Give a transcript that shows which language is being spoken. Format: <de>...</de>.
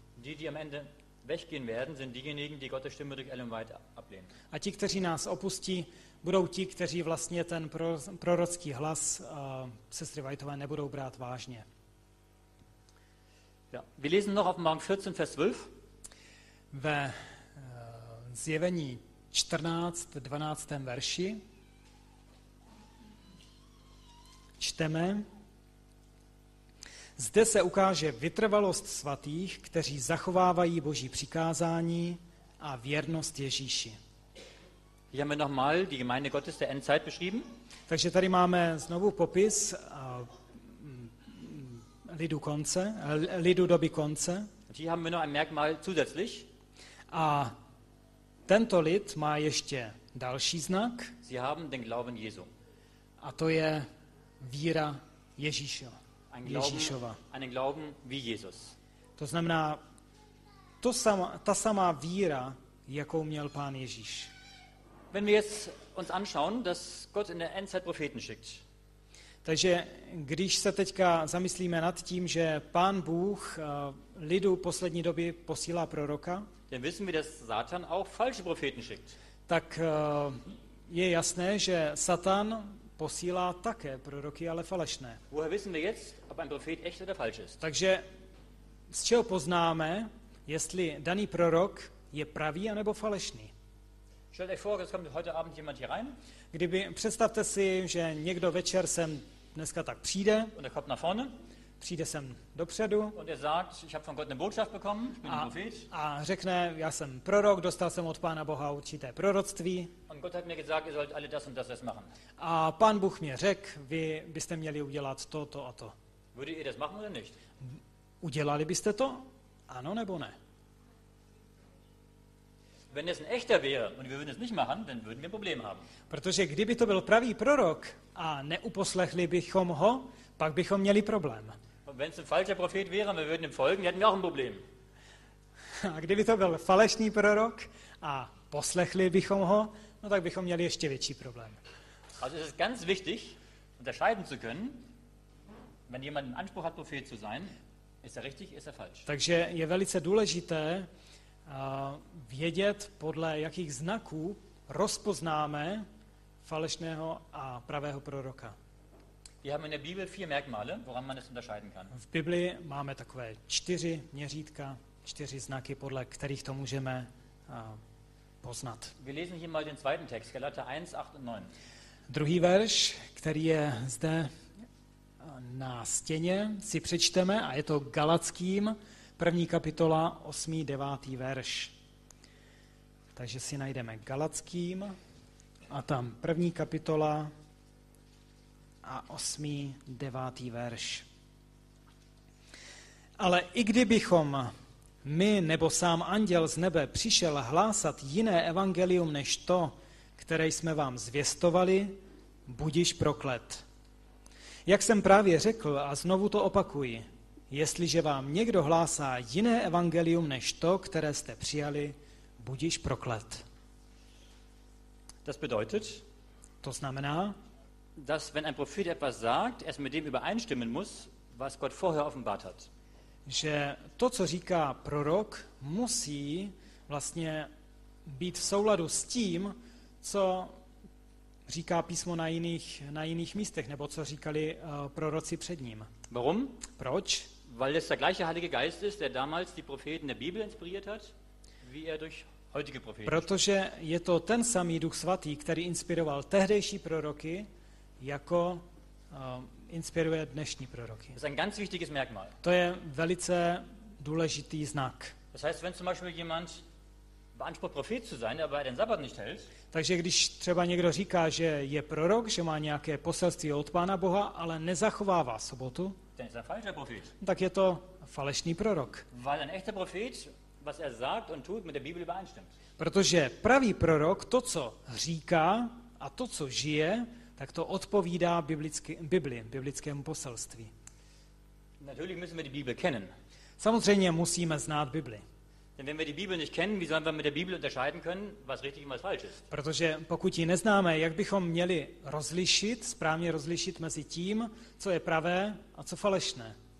<de>Die am Ende weggehen werden, sind diejenigen, die Gottes Stimme durch Ellen White ablehnen.</de> <cs>A ti, kteří nás opustí, budou ti, kteří vlastně ten prorocký hlas sestry Whiteové nebudou brát vážně.</cs> <de>Ja, wir lesen noch auf Morgen 14, Vers 12.</de> <cs>Ve zjevení 14, 12. verši čteme: Zde se ukáže vytrvalost svatých, kteří zachovávají Boží přikázání a věrnost Ježíši.</cs> <de>Hier haben wir nochmal die Gemeinde Gottes der Endzeit beschrieben.</de> <cs>Takže tady máme znovu popis lidu konce, lidu doby konce.</cs> <de>Hier haben wir noch ein Merkmal zusätzlich.</de> <cs>A tento lid má ještě další znak.</cs> <de>Sie haben den Glauben Jesu.</de> <cs>A to je víra Ježíšo,</cs> <de>ein Glauben,</de> <cs>Ježíšova.</cs> <de>Einen Glauben wie Jesus.</de> <cs>To znamená to sama, ta samá víra, jakou měl Pán Ježíš.</cs> <de>Wenn wir jetzt uns anschauen, dass Gott in der Endzeit Propheten schickt.</de> <cs>Takže když se teďka zamyslíme nad tím, že Pán Bůh lidu poslední doby posílá proroka,</cs> <de>dann wissen wir, dass Satan auch falsche Propheten schickt.</de> <cs>Tak je jasné, že Satan posílá také proroky, ale falešné.</cs> <de>Woher wissen wir jetzt, ob ein Prophet echt oder falsch ist?</de> <cs>Takže z čeho poznáme, jestli daný prorok je pravý anebo falešný?</cs> <de>Stellt euch vor, es kommt heute Abend jemand hier rein.</de> <cs>Kdyby, představte si, že někdo večer sem dneska tak přijde.</cs> <de>Und er kommt nach vorne.</de> <cs>Přijde sem dopředu.</cs> <de>Und er sagt, ich habe von Gott eine Botschaft bekommen, bin ein Prophet.</de> <cs>A řekne, já jsem prorok, dostal jsem od Pána Boha určité proroctví.</cs> <de>Und Gott hat mir gesagt, ihr sollt alle das und das jetzt machen.</de> <cs>A Pán Bůh mě řekl, vy byste měli udělat to, to a to.</cs> <de>Würdet ihr das machen oder nicht?</de> <cs>Udělali byste to? Ano nebo ne?</cs> <de>Wenn es ein echter wäre und wir würden es nicht machen, dann würden wir ein Problem haben.</de> <cs>Protože kdyby to byl pravý prorok a neuposlechli bychom ho, pak bychom měli problém.</cs> <de>Wenn es ein falscher Prophet wäre und wir würden ihm folgen, hätten wir auch ein Problem.</de> <cs>A kdyby to byl falešný prorok a poslechli bychom ho, no tak bychom měli ještě větší problém.</cs> <de>Also es ist ganz wichtig, unterscheiden zu können, wenn jemand einen Anspruch hat, Prophet zu sein, ist er richtig, ist er falsch.</de> <cs>Takže je velice důležité vědět, podle jakých znaků rozpoznáme falešného a pravého proroka.</cs> <de>Wir haben in der Bibel vier Merkmale, woran man es unterscheiden kann.</de> <cs>V Biblii máme takové čtyři měřítka, čtyři znaky, podle kterých to můžeme poznat.</cs> <de>Wir lesen hier mal den zweiten Text, Galater 1, 8 und 9.</de> <cs>Druhý verš, který je zde na stěně, si přečteme a je to Galackým, první kapitola, 8. 9. verš. Takže si najdeme Galackým a tam první kapitola a 8. 9. verš. Ale i kdybychom my nebo sám anděl z nebe přišel hlásat jiné evangelium než to, které jsme vám zvěstovali, budiš proklet. Jak jsem právě řekl a znovu to opakuji, jestliže vám někdo hlásá jiné evangelium než to, které jste přijali, budiš proklet.</cs> <de>Das bedeutet,</de> <cs>to znamená,</cs> <de>dass wenn ein Prophet etwas sagt, es mit dem übereinstimmen muss, was Gott vorher offenbart hat.</de> <cs>Že to, co říká prorok, musí vlastně být v souladu s tím, co říká písmo na jiných místech, nebo co říkali proroci před ním.</cs> <de>Warum?</de> <cs>Proč?</cs> <de>weil es der gleiche Heilige Geist ist, der damals die Propheten der Bibel inspiriert hat, wie er durch heutige Propheten.</de> <cs>Protože je to ten samý Duch svatý, který inspiroval tehdejší proroky, jako inspiruje dnešní proroky.</cs> <de>Das ist ein ganz wichtiges Merkmal.</de> <cs>To je velice důležitý znak.</cs> <de>Das heißt, wenn zum Beispiel jemand beansprucht, Prophet zu sein, aber er den Sabbat nicht hält.</de> <cs>Takže když třeba někdo říká, že je prorok, že má nějaké poselství od Pána Boha, ale nezachovává sobotu, ten</cs> <de>ist ein falscher Prophet.</de> <cs>Tak je to falešný prorok.</cs> <de>Weil ein echter Prophet, was er sagt und tut, mit der Bibel übereinstimmt.</de> <cs>Protože pravý prorok, to, co říká a to, co žije, tak to odpovídá biblickému poselství.</cs> <de>Natürlich müssen wir die Bibel kennen.</de> <cs>Samozřejmě musíme znát Bibli.</cs> <de>Denn wenn wir die Bibel nicht kennen, wie sollen wir mit der Bibel unterscheiden können, was richtig und was falsch ist?</de> <cs>Protože pokud ji neznáme, jak bychom měli rozlišit, správně rozlišit mezi tím, co je pravé a co falešné?</cs>